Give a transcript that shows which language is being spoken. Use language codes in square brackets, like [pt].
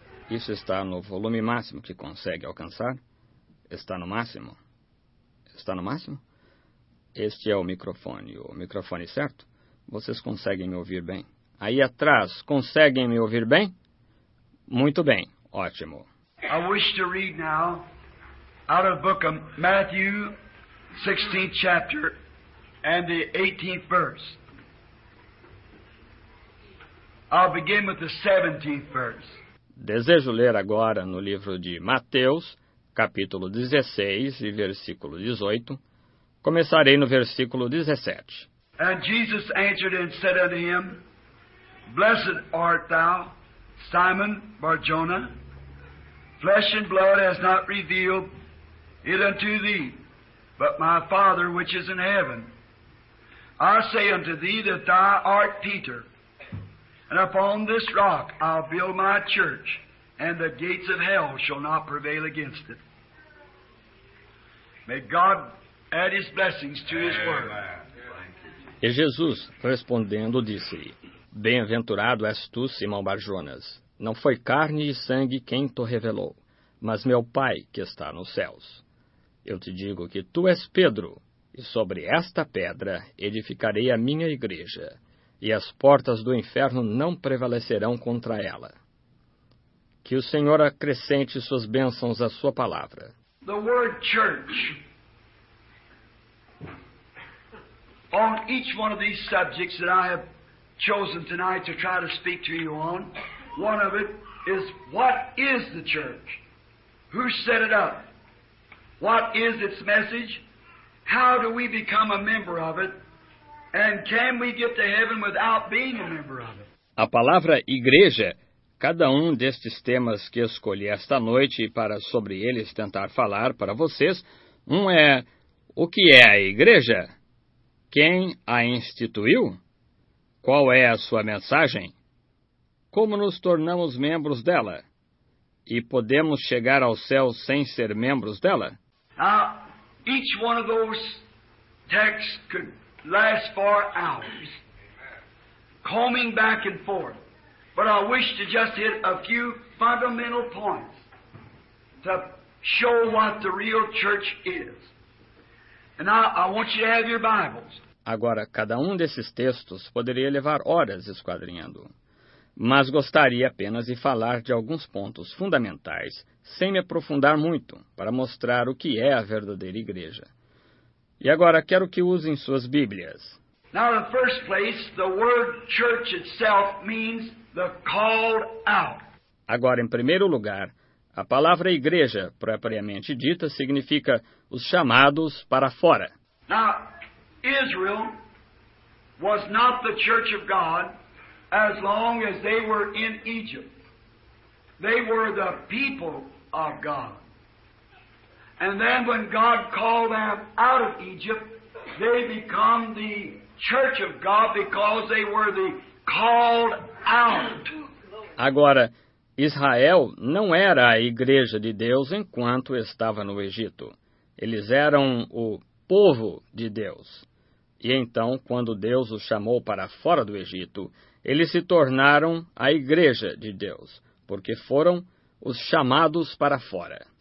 [pt] Isso está no volume máximo que consegue alcançar? Está no máximo? Está no máximo? Este é o microfone certo? Vocês conseguem me ouvir bem? Aí atrás, conseguem me ouvir bem? Muito bem, ótimo. [en] I wish to read now out of the book of Matthew, 16th chapter, and the 18th verse. I'll begin with the 17th verse. [pt] Desejo ler agora no livro de Mateus, capítulo 16 e versículo 18. Começarei no versículo 17. [en] And Jesus answered and said unto him, Blessed art thou, Simon Barjona, flesh and blood has not revealed it unto thee, but my Father which is in heaven. I say unto thee that thou art Peter, and upon this rock I'll build my church, and the gates of hell shall not prevail against it. May God add his blessings to his word. [pt] E Jesus, respondendo, disse-lhe, Bem-aventurado és tu, Simão Barjonas. Não foi carne e sangue quem te revelou, mas meu Pai que está nos céus. Eu te digo que tu és Pedro, e sobre esta pedra edificarei a minha igreja, e as portas do inferno não prevalecerão contra ela. Que o Senhor acrescente suas bênçãos à sua palavra. [en] The word church. On each one of these subjects that I have chosen tonight to try to speak to you on, one of it is, what is the church? Who set it up? What is its message? How do we become a member of it? And can we get to heaven without being a member of it? [pt] A palavra igreja, cada um destes temas que escolhi esta noite para sobre eles tentar falar para vocês, um é: o que é a igreja? Quem a instituiu? Qual é a sua mensagem? Como nos tornamos membros dela? E podemos chegar ao céu sem ser membros dela? [en] Each one of those texts could last for hours, combing back and forth. But I wish to just hit a few fundamental points to show what the real church is. And I want you to have your Bibles. [pt] Agora, cada um desses textos poderia levar horas esquadrinhando, mas gostaria apenas de falar de alguns pontos fundamentais, sem me aprofundar muito, para mostrar o que é a verdadeira igreja. E agora, quero que usem suas Bíblias. [en] Now, in the first place, the word church itself means the called out. [pt] Agora, em primeiro lugar, a palavra igreja, propriamente dita, significa os chamados para fora. [en] Now, Israel was not the church of God as long as they were in Egypt. They were the people of God. And then when God called them out of Egypt, they become the church of God because they were the called out. [pt] Agora, Israel não era a igreja de Deus enquanto estava no Egito. Eles eram o povo de Deus. E então, quando Deus os chamou para fora do Egito, eles se tornaram a igreja de Deus, porque foram os chamados para fora.